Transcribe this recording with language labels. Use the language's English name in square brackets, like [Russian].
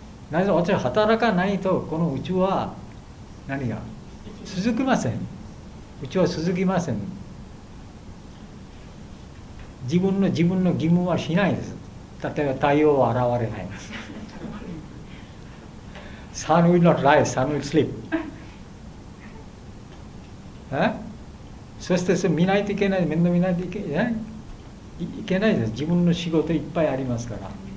[Japanese] なぜ私は働かないと、この宇宙は何が続きません。宇宙は続きません。自分の義務はしないです。例えば太陽は現れないんです。 [English] Sun will not rise, sun will sleep. [Japanese] そして見ないといけない、面倒見ないといけない。いけないです。自分の仕事いっぱいありますから。